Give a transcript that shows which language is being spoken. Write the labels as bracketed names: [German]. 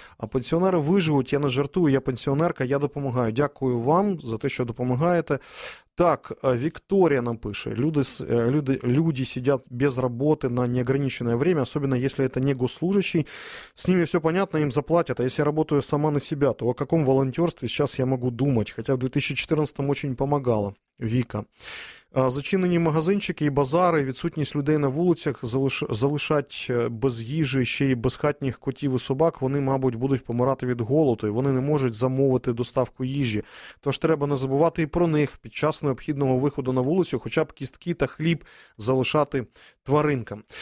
[Ukrainian] А пенсіонери виживуть, я не жартую, я пенсіонерка, я допомагаю. Дякую вам за те, що допомагаєте. Так, Вікторія нам пише. Люди сидять без роботи [Russian] на неограниченное время, особенно если это не госслужащий. С ними все понятно, им заплатят. А если я работаю сама на себя, то о каком волонтерстве сейчас я могу думать? Хотя в 2014-м очень помогала Вика. [Ukrainian] Зачинені магазинчики і базари, відсутність людей на вулицях, залишать без їжі, ще й безхатніх котів і собак, вони, мабуть, будуть помирати від голоду, і вони не можуть замовити доставку їжі. Тож треба не забувати і про них під час необхідного виходу на вулицю, хоча б кістки та хліб залишати тваринкам.